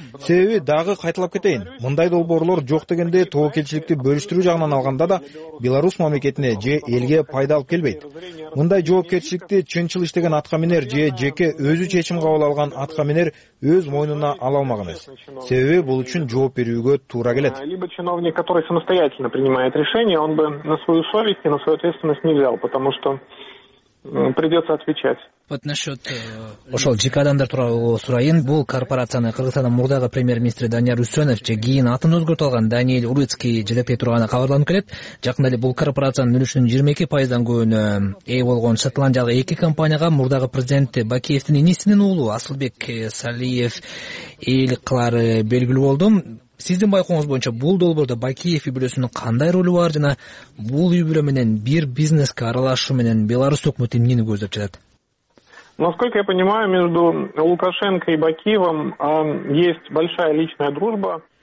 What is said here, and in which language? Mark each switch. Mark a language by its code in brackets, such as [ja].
[ky] Себеби дагы кайталап кетейин, мындай долбоорлор жок дегенде тобокелчиликти бөлүштүрүү жагынан алганда да Беларусь мамлекетине же элге пайда алып келбейт. Мындай жоопкерчиликти чынчыл иштеген аткаминер же жеке өзү чечим кабыл алган аткаминер өз мойнуна ала алмак эмес. Себеби бул үчүн жооп берүүгө туура келет. [ru] Либо чиновник, который самостоятельно принимает решение, он бы на свою совесть и на свою ответственность не взял, потому что придется отвечать. Вот насчет... [ky] Ошол жеке адамдар тууралуу сурайын. Бул корпорацияны Кыргызстандын мурдагы премьер-министри Данияр Үсөнов же кийин атын өзгөртүп алган Даниил Урицкий ЖДП турганы кабарланып келет. Жакында эле бул корпорациянын үлүшүнүн 22% көбүнө ээ болгон шотландиялык эки компанияга мурдагы президент Бакиевдин инисинин уулу Асылбек Салиев ээлик кылары белгилүү болду. Сиздин байкооңуз боюнча бул долбоордо Бакиев үй бүлөсүнүн кандай ролу бар жана бул үй бүлө менен бир бизнеске аралашуу менен Беларусь өкмөтү эмнени көздөп жатат? [ru] Насколько я понимаю, между Лукашенко и Бакиевым есть большая личная дружба.